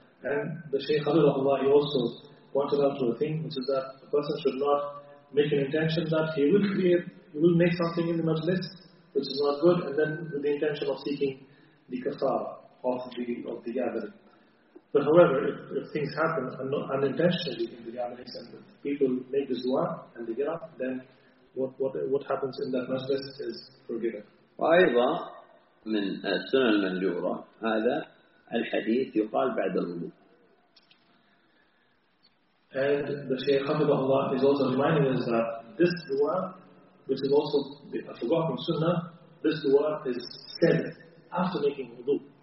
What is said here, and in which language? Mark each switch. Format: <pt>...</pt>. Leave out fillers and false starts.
<en>And the Shaykh Abdullah, he also pointed out to a thing, which is that a person should not make an intention that he will make something in the majlis, which is not good, and then with the intention of seeking the kafara of the gathering. But however, if things happen unintentionally in the gatherings and people make the zuwa and they get up, then what happens in that majlis is forgiven.</en> <ar>وأيضا من السنة المنذورة هذا الحديث يقال بعد الوضوء.</ar> <en>And the Shaykh Habibah Allah is also reminding us that this dua, which is also a forgotten sunnah, this dua is said after making wudu.</en>